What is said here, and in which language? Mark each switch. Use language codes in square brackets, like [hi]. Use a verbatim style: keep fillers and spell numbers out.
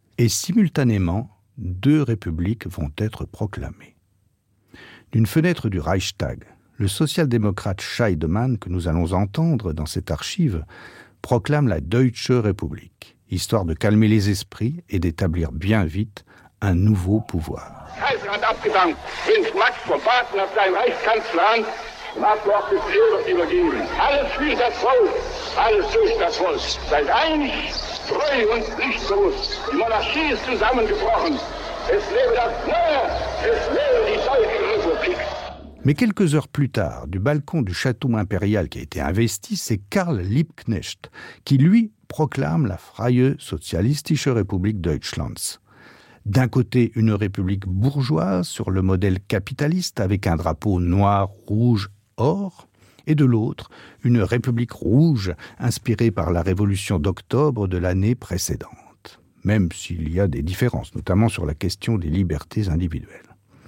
[fr] Et simultanément, deux républiques vont être proclamées. D'une fenêtre du Reichstag, le social-démocrate Scheidemann, que nous allons entendre dans cette archive, proclame la Deutsche Republik, histoire de calmer les esprits et d'établir bien vite un nouveau pouvoir. [de] Kaiser hat abgedankt, Prinz Max von Baden hat sein Reichskanzleramt im Ablauf des Eros übergeben. Alles für das Volk, alles durch das Volk. Seid einig, treu und pflichtlos. Die Monarchie ist zusammengebrochen. Es lebe das Neue, es lebe die deutsche Republik. [fr] Mais quelques heures plus tard, du balcon du château impérial qui a été investi, c'est Karl Liebknecht qui, lui, proclame la Freie Sozialistische Republik Deutschlands. D'un côté, une république bourgeoise sur le modèle capitaliste avec un drapeau noir, rouge, or, et de l'autre, une république rouge inspirée par la révolution d'octobre de l'année précédente, même s'il y a des différences, notamment sur la question des libertés individuelles.